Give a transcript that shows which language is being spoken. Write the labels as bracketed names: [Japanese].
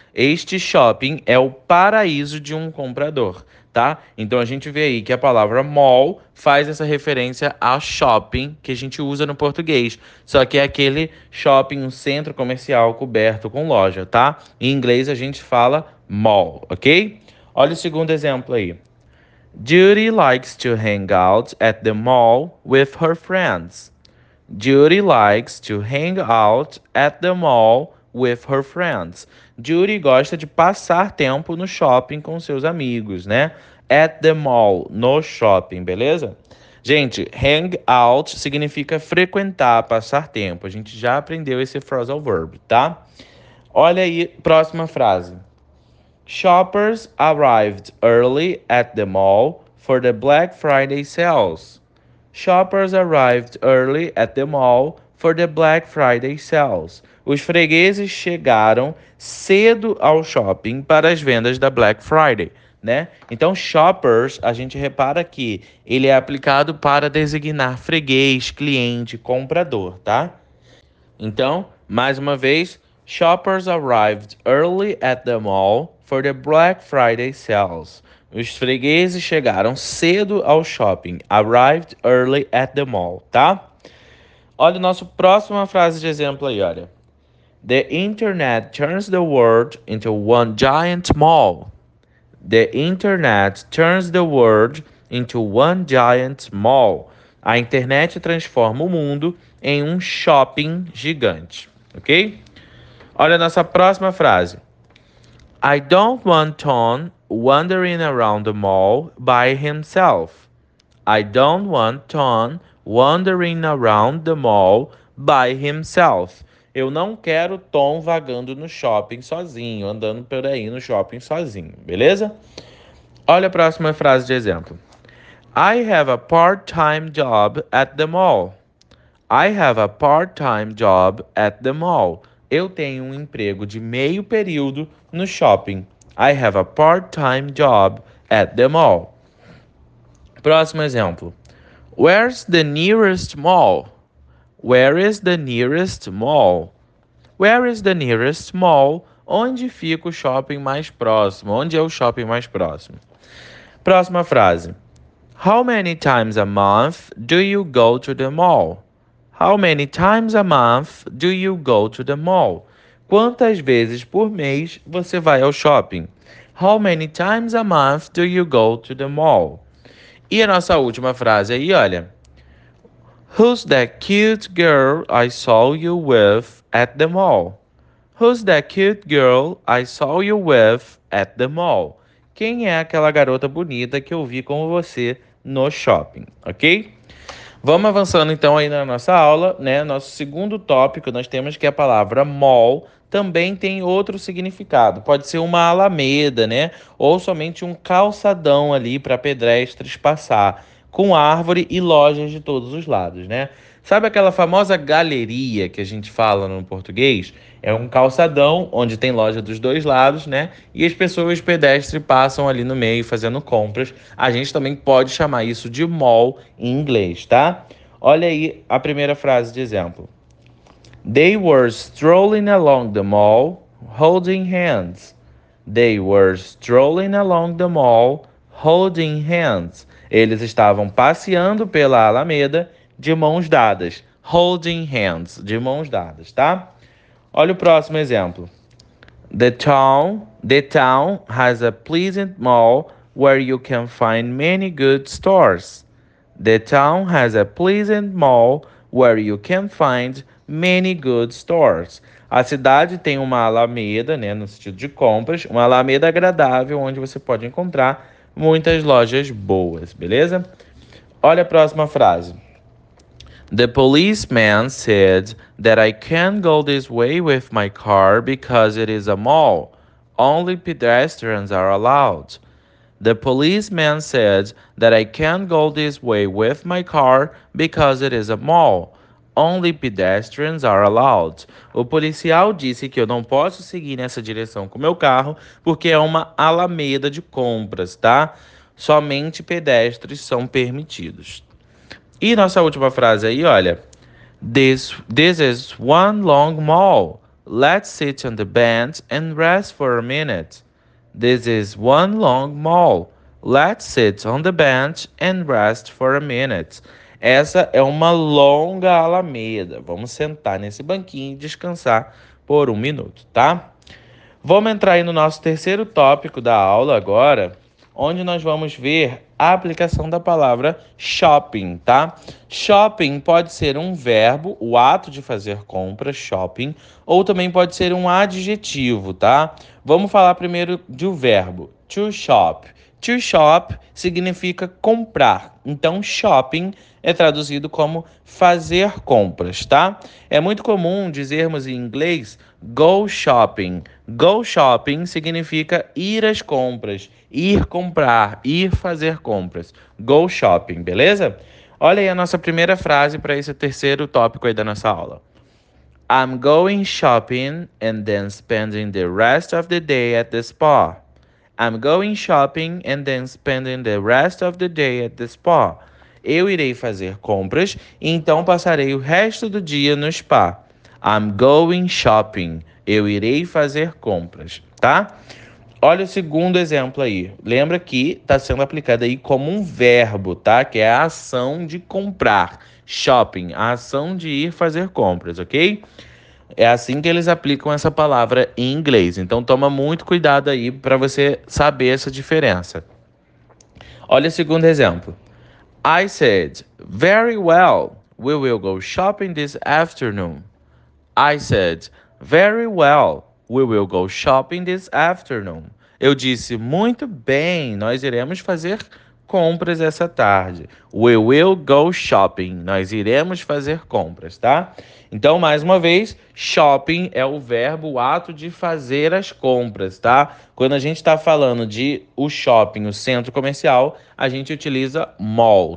[Portuguese] Este shopping é o paraíso de um comprador, tá? Então a gente vê aí que a palavra mall faz essa referência a shopping que a gente usa no português. Só que é aquele shopping, um centro comercial coberto com loja, tá? Em inglês a gente fala mall, ok? Olha o segundo exemplo aí. [English] Judy likes to hang out at the mall with her friends. Judy likes to hang out at the mall with her friends. [Portuguese] Judy gosta de passar tempo no shopping com seus amigos, né? [English] At the mall, [Portuguese] no shopping, beleza? Gente, hang out significa frequentar, passar tempo. A gente já aprendeu esse phrasal verb, tá? Olha aí, próxima frase. [English] Shoppers arrived early at the mall for the Black Friday sales. Shoppers arrived early at the mall for the Black Friday sales. [Portuguese] Os fregueses chegaram cedo ao shopping para as vendas da Black Friday, né? Então, shoppers, a gente repara que ele é aplicado para designar freguês, cliente, comprador, tá? Então, mais uma vez, [English] shoppers arrived early at the mall for the Black Friday sales. [Portuguese] Os fregueses chegaram cedo ao shopping. [English] Arrived early at the mall, [Portuguese] tá? Olha a nossa próxima frase de exemplo aí, olha. [English] The internet turns the world into one giant mall. The internet turns the world into one giant mall. [Portuguese] A internet transforma o mundo em um shopping gigante, ok? Olha a nossa próxima frase. [English] I don't want Tom wandering around the mall by himself. I don't want Tom wandering around the mall by himself. [Portuguese] Eu não quero Tom vagando no shopping sozinho, andando por aí no shopping sozinho, beleza? Olha a próxima frase de exemplo. [English] I have a part-time job at the mall. I have a part-time job at the mall. [Portuguese] Eu tenho um emprego de meio período no shopping. [English] I have a part-time job at the mall. [Portuguese] Próximo exemplo. [English] Where's the nearest mall? Where is the nearest mall? Where is the nearest mall? [Portuguese] Onde fica o shopping mais próximo? Onde é o shopping mais próximo? Próxima frase. [English] How many times a month do you go to the mall? How many times a month do you go to the mall? [Portuguese] Quantas vezes por mês você vai ao shopping? [English] How many times a month do you go to the mall? [Portuguese] E a nossa última frase aí, olha. [English] Who's that cute girl I saw you with at the mall? Who's that cute girl I saw you with at the mall? [Portuguese] Quem é aquela garota bonita que eu vi com você no shopping, ok? Vamos avançando então aí na nossa aula, né? Nosso segundo tópico, nós temos que a palavra mall também tem outro significado. Pode ser uma alameda, né? Ou somente um calçadão ali para pedestres passar, com árvore e lojas de todos os lados, né? Sabe aquela famosa galeria que a gente fala no português? É um calçadão onde tem loja dos dois lados, né? E as pessoas pedestres passam ali no meio fazendo compras. A gente também pode chamar isso de mall em inglês, tá? Olha aí a primeira frase de exemplo. [English] They were strolling along the mall, holding hands. They were strolling along the mall, holding hands. [Portuguese] Eles estavam passeando pela Alameda de mãos dadas. [English] Holding hands, [Portuguese] de mãos dadas, tá? Olha o próximo exemplo. [English] The town has a pleasant mall where you can find many good stores. The town has a pleasant mall where you can find many good stores. [Portuguese] A cidade tem uma alameda, né, no sentido de compras, uma alameda agradável onde você pode encontrar muitas lojas boas, beleza? Olha a próxima frase. [English] The policeman said that I can't go this way with my car because it is a mall. Only pedestrians are allowed. The policeman said that I can't go this way with my car because it is a mall. Only pedestrians are allowed. [Portuguese] O policial disse que eu não posso seguir nessa direção com meu carro porque é uma alameda de compras, tá? Somente pedestres são permitidos. E nossa última frase aí, olha. [English] This is one long mall. Let's sit on the bench and rest for a minute. This is one long mall. Let's sit on the bench and rest for a minute. [Portuguese] Essa é uma longa alameda. Vamos sentar nesse banquinho e descansar por um minuto, tá? Vamos entrar aí no nosso terceiro tópico da aula agora, onde nós vamos ver a aplicação da palavra shopping, tá? Shopping pode ser um verbo, o ato de fazer compra, shopping, ou também pode ser um adjetivo, tá? Vamos falar primeiro de um verbo, to shop. To shop significa comprar, então shopping é traduzido como fazer compras, tá? É muito comum dizermos em inglês go shopping. Go shopping significa ir às compras, ir comprar, ir fazer compras. Go shopping, beleza? Olha aí a nossa primeira frase para esse terceiro tópico aí da nossa aula. [English] I'm going shopping and then spending the rest of the day at the spa. I'm going shopping and then spending the rest of the day at the spa. [Portuguese] Eu irei fazer compras e então passarei o resto do dia no spa. [English] I'm going shopping. [Portuguese] Eu irei fazer compras, tá? Olha o segundo exemplo aí. Lembra que está sendo aplicado aí como um verbo, tá? Que é a ação de comprar. Shopping, a ação de ir fazer compras, ok? É assim que eles aplicam essa palavra em inglês. Então, toma muito cuidado aí para você saber essa diferença. Olha o segundo exemplo. [English] I said, very well, we will go shopping this afternoon. I said, very well, we will go shopping this afternoon. [Portuguese] Eu disse, muito bem, nós iremos fazer compras essa tarde. [English] We will go shopping, [Portuguese] nós iremos fazer compras, tá? Então, mais uma vez, shopping é o verbo, o ato de fazer as compras, tá? Quando a gente está falando de o shopping, o centro comercial, a gente utiliza mall.